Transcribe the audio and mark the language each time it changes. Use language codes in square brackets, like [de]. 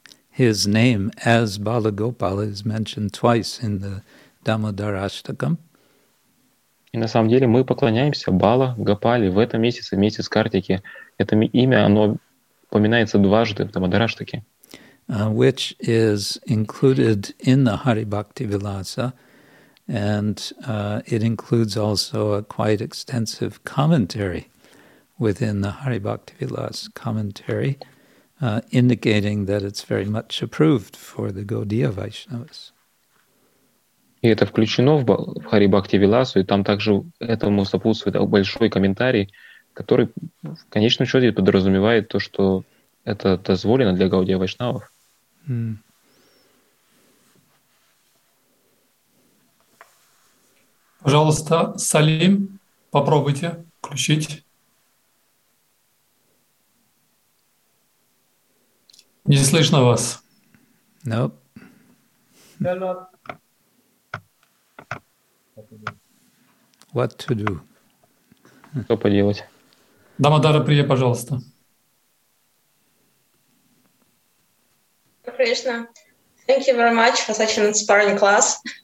[en] His name as Bala Gopala is mentioned twice in the Damodara Ashtakam. [ru] И на самом деле мы поклоняемся Бала Гопале в этом месяце вместе с Картики. Это имя, оно упоминается дважды в Дамадараштаке. [en] Which is included in the Hari Bhakti Vilasa, and it includes also a quite extensive commentary within the Hari Bhakti Vilasa commentary, indicating that it's very much approved for the Gaudiya Vaishnavas. [ru] И это включено в Хари Бхакти Виласу, и там также этому сопутствует большой комментарий, который в конечном счете подразумевает то, что это дозволено для Гаудия Вайшнавов. Пожалуйста, Салим, попробуйте включить. Не слышно вас. [en] Nope. What to do? [ru] Что поделать? Дамодара Прия, пожалуйста. [en] Krishna, thank you very much for such an inspiring class.